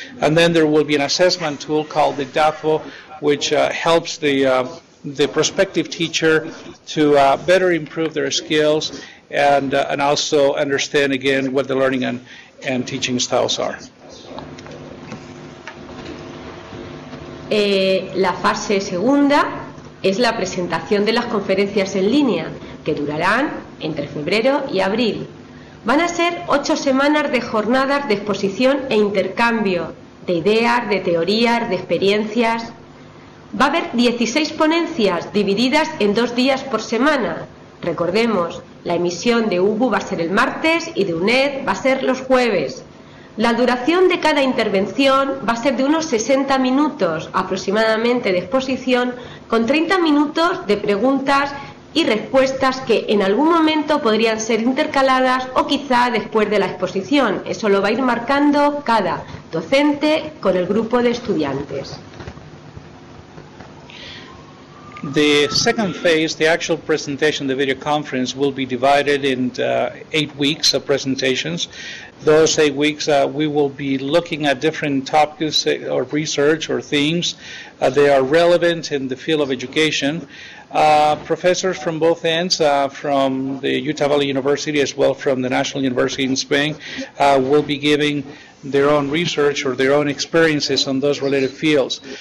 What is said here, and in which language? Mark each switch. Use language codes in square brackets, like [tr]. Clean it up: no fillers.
[en] And then there will be an assessment tool called the DAFO, which helps the prospective teacher to better improve their skills and also understand again what the learning and teaching styles are. [es] La fase segunda es la presentación de las conferencias en línea, que durarán entre febrero y abril. Van a ser 8 semanas de jornadas de exposición e intercambio de ideas, de teorías, de experiencias. Va a haber 16 ponencias divididas en 2 días por semana. Recordemos, la emisión de UBU va a ser el martes y de UNED va a ser los jueves. La duración de cada intervención va a ser de unos 60 minutos aproximadamente de exposición, con 30 minutos de preguntas y respuestas que en algún momento podrían ser intercaladas o quizá después de la exposición. Eso lo va a ir marcando cada docente con el grupo de estudiantes. [en] The second phase, the actual presentation, the video conference, will be divided into 8 weeks of presentations. Those 8 weeks, we will be looking at different topics or research or themes. They are relevant in the field of education. Professors from both ends, from the Utah Valley University as well from the National University in Spain, will be giving their own research or their own experiences on those related fields.